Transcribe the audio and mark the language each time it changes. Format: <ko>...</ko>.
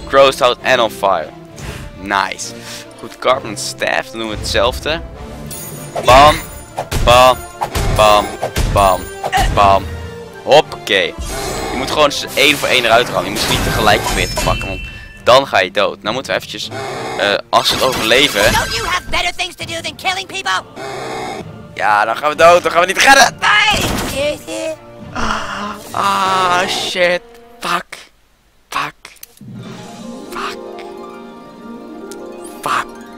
<en>Crossed out and on fire. Nice.</en> <nl>Goed, carbon staff, dan doen we hetzelfde. Bam! Bam! Bam! Bam! Bam! Hoppakee! Je moet gewoon eens één voor één eruit gaan. Je moet ze niet tegelijk weer te pakken, want dan ga je dood. Nou moeten we eventjes, als we het overleven...</nl> <en>Don't you have better things to do than killing people?</en> <nl>Ja, dan gaan we dood, dan gaan we niet redden! Nee! Ah, shit. Fuck. Fuck. Fuck. Fuck.</nl>